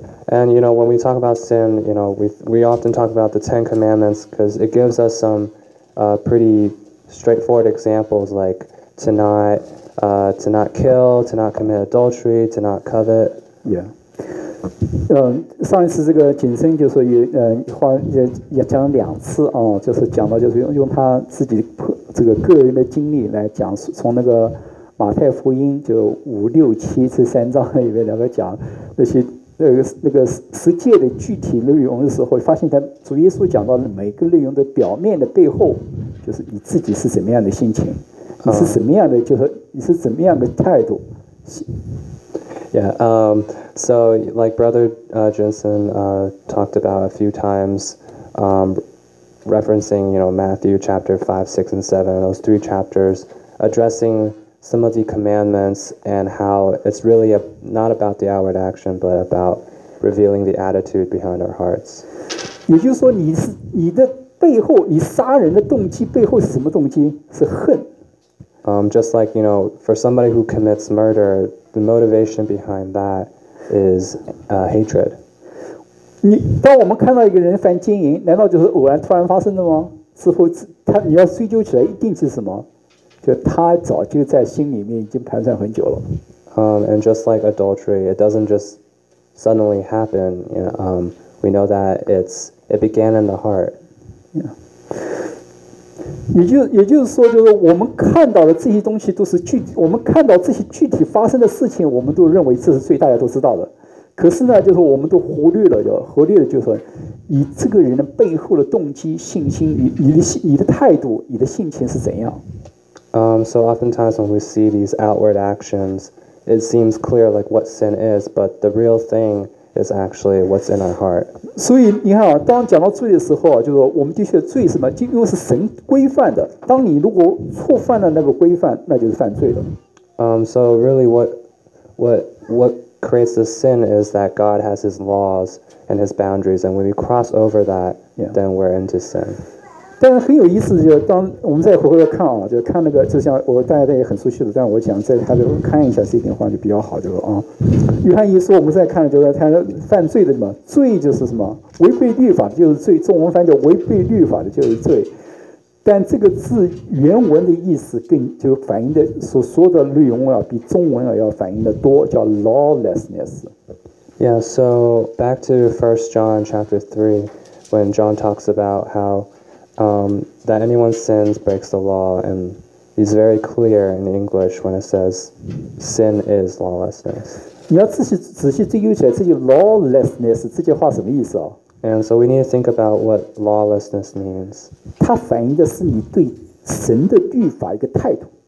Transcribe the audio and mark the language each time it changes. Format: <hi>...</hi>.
<en>And you know, when we talk about sin, you know, we often talk about the Ten Commandments because it gives us some pretty straightforward examples like to not kill, to not commit adultery, to not covet. Yeah.</en> <zh>上一次这个景深就说也讲了两次啊，就是讲到就是用他自己这个个人的经历来讲，从那个马太福音就五六七这三章里面两个讲那些那个十诫的具体内容的时候，发现他主耶稣讲到每个内容的表面的背后，就是你自己是怎么样的心情，你是什么样的，就是你是怎么样的态度。</zh> <en>Yeah. So like Brother Jensen talked about a few times, referencing you know Matthew chapter 5, 6, and 7, those three chapters addressing. Some of the commandments and how it's really not about the outward action, but about revealing the attitude behind our hearts.</en> <zh>也就是说，你的背后，你杀人的动机背后是什么动机？是恨。</zh> <en>Just like you know, for somebody who commits murder, the motivation behind that is hatred.</en> <zh>你当我们看到一个人犯奸淫，难道就是偶然突然发生的吗？似乎他你要追究起来，一定是什么？就他早就在心里面已经盘算很久了。</zh> <en>And just like adultery, it doesn't just suddenly happen. You know, we know that it began in the heart. Yeah.</en> <zh>也就是说，就是我们看到的这些东西都是具体，我们看到这些具体发生的事情，我们都认为这是最大家都知道的。可是呢，就是我们都忽略了，就是你这个人的背后的动机、信心、你的态度、你的性情是怎样。</zh> <en>So oftentimes when we see these outward actions, it seems clear like what sin is, but the real thing is actually what's in our heart.</en> <zh>所以你看啊，当讲到罪的时候啊，就是我们的确罪什么，因为是神规范的。当你如果触犯了那个规范，那就是犯罪了。</zh> <en>So really what creates the sin is that God has his laws and his boundaries, and when we cross over that, then we're into sin.</en> <zh>但是很有意思，就是当我们再回头看啊，就看那个，就像我大家也很熟悉的，但我讲在他的看一下这段话就比较好，就是啊，约翰一书我们再看，就是他犯罪的什么罪，就是什么违背律法的就是罪，中文翻叫违背律法的就是罪。但这个字原文的意思更就反映的所说的内容啊，比中文啊要反映的多，叫 lawlessness。</zh> <en>Yeah, so back to 1 John chapter 3, when John talks about how that anyone sins breaks the law, and he's very clear in English when it says sin is lawlessness.</en> <zh>你要仔细追究起来，这句 lawlessness 这句话什么意思啊？</zh> <en>And so we need to think about what lawlessness means.</en> <zh>它反映的是你对神的律法一个态度。</zh>